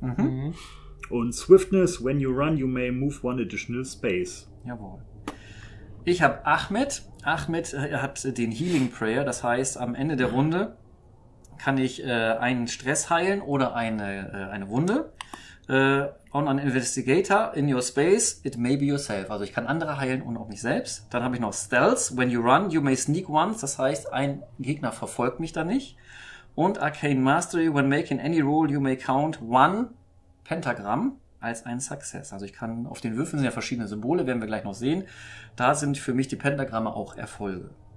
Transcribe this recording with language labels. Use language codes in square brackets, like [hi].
[en] Mhm. Und Swiftness, when you run, you may move one additional space. [de] Jawohl. Ich habe Ahmed. Ahmed hat den Healing Prayer, das heißt, am Ende der Runde kann ich einen Stress heilen oder eine Wunde. [en] On an Investigator in your space, it may be yourself. [de] Also ich kann andere heilen und auch mich selbst. Dann habe ich noch Stealth. [en] When you run, you may sneak once. [de] Das heißt, ein Gegner verfolgt mich dann nicht. Und Arcane Mastery, [en] when making any roll, you may count one Pentagram [de] als ein Success. Also ich kann, auf den Würfeln sind ja verschiedene Symbole, werden wir gleich noch sehen. Da sind für mich die Pentagramme auch Erfolge.